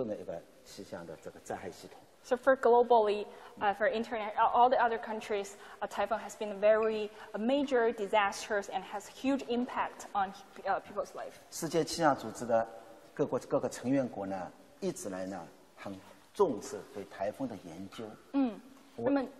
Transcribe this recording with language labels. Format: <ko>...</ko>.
<zh>是这个，因为是对那个我们沿海地区，包括东南亚的沿海啊，等于是全球来讲，台风是一个很严重的一个气象的这个灾害系统。So</zh> <en>for globally, for internet, all the other countries, a typhoon has been very major disasters and has huge impact on people's life.</en> <zh>世界气象组织的各个成员国呢，一直来呢很重视对台风的研究。</zh>